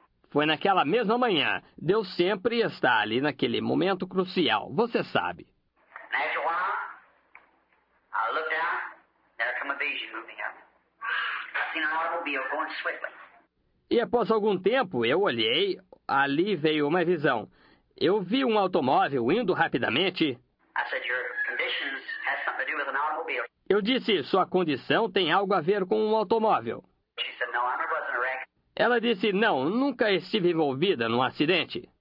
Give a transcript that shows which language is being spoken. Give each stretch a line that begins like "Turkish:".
Portuguese: Foi naquela mesma manhã. Deus sempre está ali naquele momento crucial, você sabe.
English: After a while, I looked out, there come a vision moving up. seen an automobile going swiftly.
Portuguese: E após algum tempo, eu olhei, ali veio uma visão. Eu vi um automóvel indo rapidamente.
English: I said, your conditions have something to do with an automobile.
Portuguese: Eu disse, sua condição tem algo a ver com um automóvel.
English: She said, no, I never was in a wreck.
Portuguese: Ela disse, não, nunca estive envolvida num acidente.